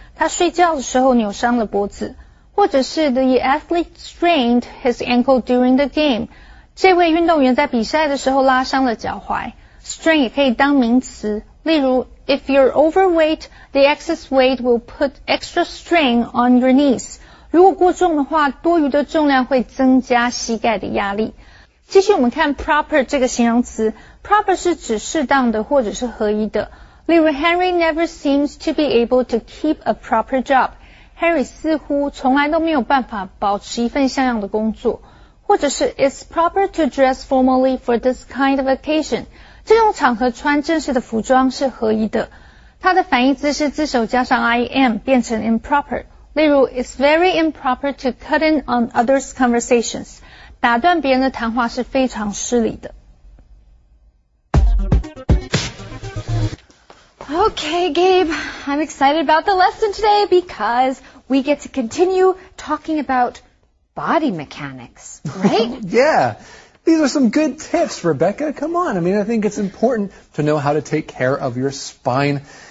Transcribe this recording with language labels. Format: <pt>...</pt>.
<zh>他睡觉的时候扭伤了脖子。或者是</zh> <en>,the athlete strained his ankle during the game.</en> <zh>这位运动员在比赛的时候拉伤了脚踝。 Strain 也可以当名词。例如</zh> <en>,if you're overweight, the excess weight will put extra strain on your knees.</en> <zh>如果过重的话，多余的重量会增加膝盖的压力。继续我们看 proper 这个形容词。proper 是指适当的或者是合一的。例如</zh> <en>,Henry never seems to be able to keep a proper job.</en> <zh>Henry 似乎从来都没有办法保持一份像样的工作。或者是</zh> <en>,it's proper to dress formally for this kind of occasion.</en> <zh>这种场合穿正式的服装是合一的。它的反义词是自首加上 im, 变成 improper。例如</zh> <en>,it's very improper to cut in on others' conversations.</en> <zh>打断别人的谈话是非常失礼的。</zh> <en>Okay, Gabe, I'm excited about the lesson today because we get to continue talking about body mechanics, right? Yeah, these are some good tips, Rebecca. Come on, I mean, I think it's important to know how to take care of your spine.</en>